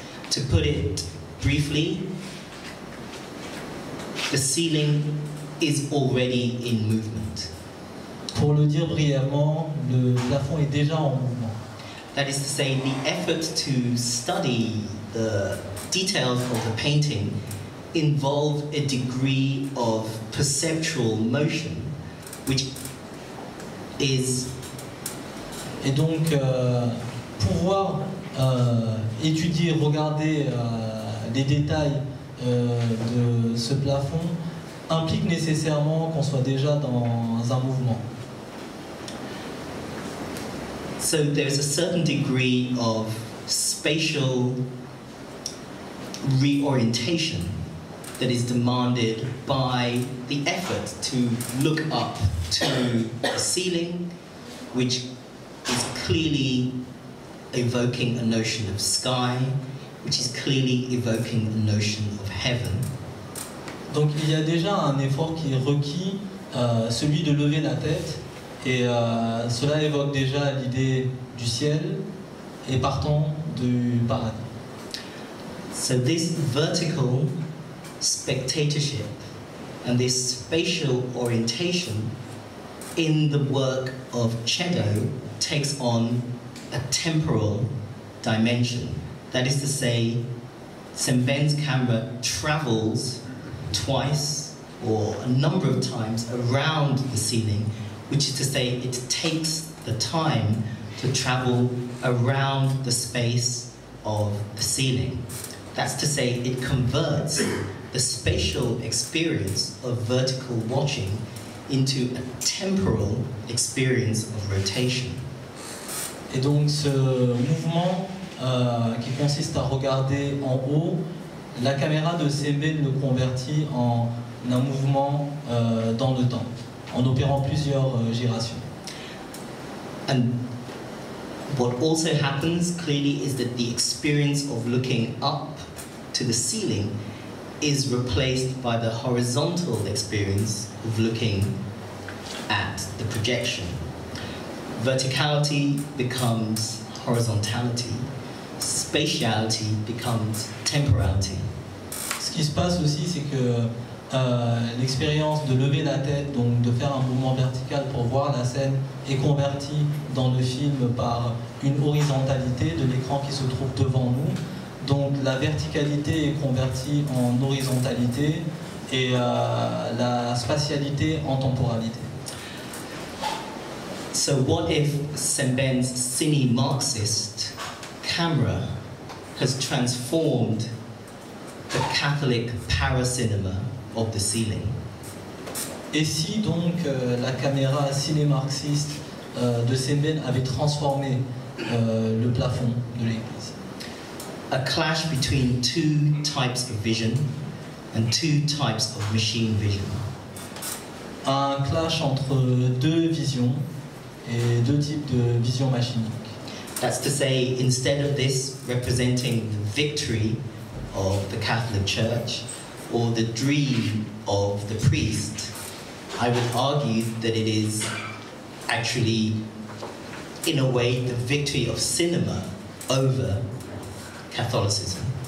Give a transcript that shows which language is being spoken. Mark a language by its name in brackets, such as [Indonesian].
[English] To put it briefly, the ceiling is already in movement. [French] Pour le dire brièvement, le plafond est déjà en mouvement. [English] That is to say, the effort to study the details of the painting involve a degree of perceptual motion, which is. [French] Et donc pouvoir étudier, regarder les détails de ce plafond implique nécessairement qu'on soit déjà dans un mouvement. [English] So there's a certain degree of spatial reorientation that is demanded by the effort to look up to the ceiling, which is clearly evoking a notion of sky, which is clearly evoking a notion of heaven. [French] Donc il y a déjà un effort qui est requis, celui de lever la tête, et cela évoque déjà l'idée du ciel et partant du paradis. [English] So this vertical spectatorship and this spatial orientation in the work of Chedo takes on a temporal dimension. That is to say, Semben's camera travels twice or a number of times around the ceiling, which is to say it takes the time to travel around the space of the ceiling. That's to say it converts the spatial experience of vertical watching into a temporal experience of rotation. [French] Et donc ce mouvement qui consiste à regarder en haut, la caméra de Semben le convertit en un mouvement dans le temps, en opérant plusieurs girations. [English] And what also happens clearly is that the experience of looking up to the ceiling is replaced by the horizontal experience of looking at the projection. Verticality becomes horizontality. Spatiality becomes temporality. [French] Ce qui se passe aussi, c'est que l'expérience de lever la tête, donc de faire un mouvement vertical pour voir la scène, est convertie dans le film par une horizontalité de l'écran qui se trouve devant nous. Donc la verticalité est convertie en horizontalité et la spatialité en temporalité. [English] So what if Semben's cine-Marxist camera has transformed the Catholic paracinema of the ceiling? [French] Et si donc la caméra ciné-marxiste de Semben avait transformé le plafond de l'église? [English] A clash between two types of vision and two types of machine vision. [French] Un clash entre deux visions et deux types de vision machinique. [English] That's to say, instead of this representing the victory of the Catholic Church or the dream of the priest, I would argue that it is actually, in a way, the victory of cinema over Catholicism.